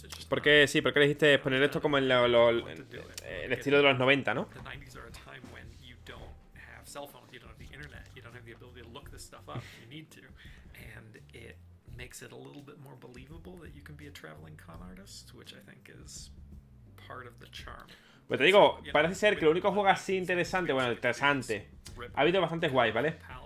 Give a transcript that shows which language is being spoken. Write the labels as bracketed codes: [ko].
[es] Porque sí, porque dijiste poner esto como en el estilo de los 90, ¿no? [en] The 90s are a time when you don't have cell phones, you don't have the internet, you don't have the ability to look this stuff up, you need to. And it makes it a little bit more believable that you can be a traveling con artist, which I think is part of the charm. [es] Pues te digo, parece ser que el único juego así interesante, bueno, interesante, ha habido bastantes guays, ¿vale?